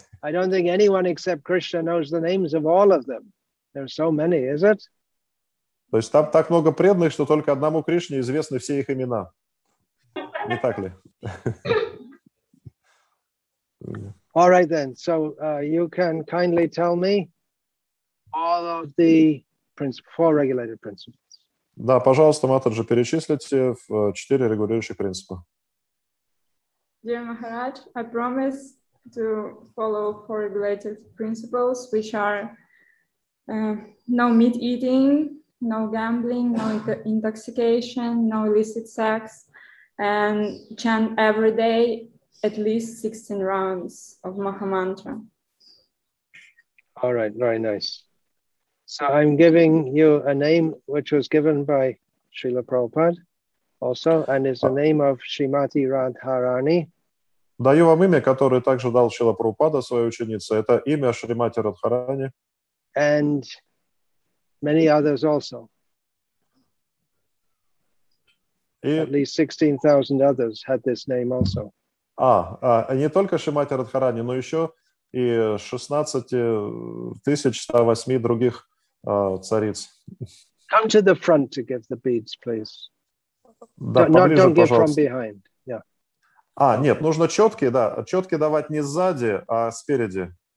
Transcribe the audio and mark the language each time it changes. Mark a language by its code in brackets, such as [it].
[en] I don't think anyone except Krishna knows the names of all of them. There's so many, is it? [ru] То есть там так много преданных, что только одному Кришне известны все их имена. Не так ли? [en] All right then. So you can kindly tell me all of the principles, four regulated principles. [ru] Да, пожалуйста, Матаджи, перечислите четыре регулирующих принципа. [en] Dear Maharaj, I promise to follow four regulated principles, which are no meat eating, no gambling, no intoxication, no illicit sex, and chant every day at least 16 rounds of Maha Mantra. All right, very nice. So I'm giving you a name which was given by Srila Prabhupada also, and is the name of Srimati Radharani. [ru] Даю вам имя, которое также дал Шрила Прабхупада своей ученице. Это имя Шримати Радхарани. [en] And many others also. [ru] И... [en] At least 16,000 others had this name also. [ru] Не только Шримати Радхарани, но еще и 16,108 других цариц. [en] Come to the front to give the beads, please. [ru] Да, [en] no, [ru] поближе, [en] don't [ru] пожалуйста. [en] Give from behind. [ru] Нет, нужно четкие, да, четкие давать не сзади, а спереди.